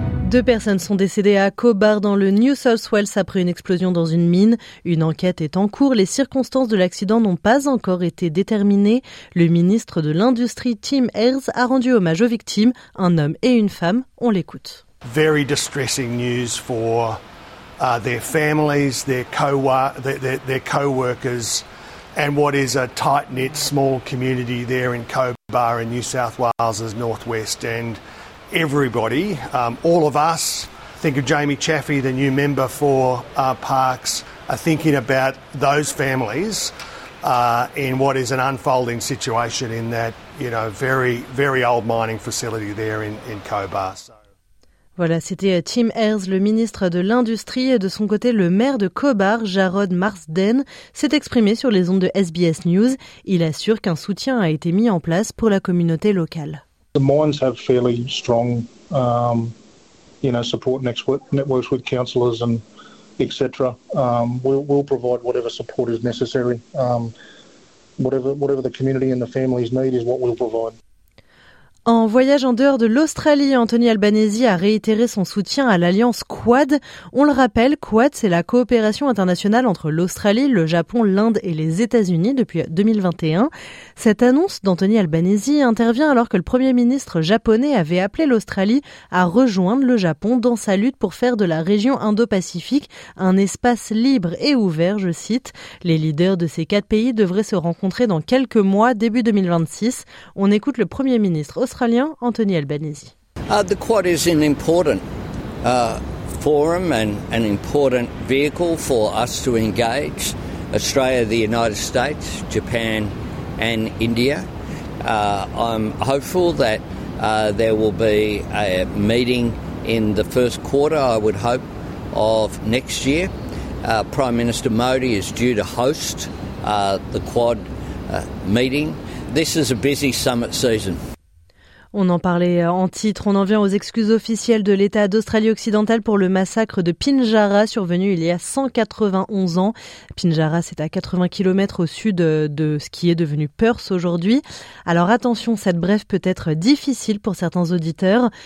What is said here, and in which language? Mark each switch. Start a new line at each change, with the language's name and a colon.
French: Deux personnes sont décédées à Cobar dans le New South Wales après une explosion dans une mine. Une enquête est en cours. Les circonstances de l'accident n'ont pas encore été déterminées. Le ministre de l'Industrie, Tim Ayres, a rendu hommage aux victimes, un homme et une femme. On l'écoute.
English: Very distressing news for their families, their co-workers and what is a tight-knit small community there in Cobar in New South Wales's northwest end. Everybody, all of us, think of Jamie Chaffee, the new member for Parks, are thinking about those families in what is an unfolding situation in that, you know, very, very old mining facility there in Cobar. So.
French: Voilà, c'était Tim Ayres, le ministre de l'Industrie, et de son côté, le maire de Cobar, Jarrod Marsden, s'est exprimé sur les ondes de SBS News. Il assure qu'un soutien a été mis en place pour la communauté locale.
English: The mines have fairly strong, support networks with councillors and et cetera. We'll provide whatever support is necessary. Whatever the community and the families need is what we'll provide.
French: En voyage en dehors de l'Australie, Anthony Albanese a réitéré son soutien à l'alliance Quad. On le rappelle, Quad, c'est la coopération internationale entre l'Australie, le Japon, l'Inde et les États-Unis depuis 2021. Cette annonce d'Anthony Albanese intervient alors que le Premier ministre japonais avait appelé l'Australie à rejoindre le Japon dans sa lutte pour faire de la région Indo-Pacifique un espace libre et ouvert, je cite. Les leaders de ces quatre pays devraient se rencontrer dans quelques mois, début 2026. On écoute le Premier ministre Australien Anthony Albanese.
English: The Quad is an important forum and an important vehicle for us to engage Australia, the United States, Japan and India. I'm hopeful that there will be a meeting in the first quarter, I would hope, of next year. Prime Minister Modi is due to host the Quad meeting. This is a busy summit season.
French: On en parlait en titre, on en vient aux excuses officielles de l'État d'Australie-Occidentale pour le massacre de Pinjarra, survenu il y a 191 ans. Pinjarra, c'est à 80 km au sud de ce qui est devenu Perth aujourd'hui. Alors attention, cette brève peut être difficile pour certains auditeurs.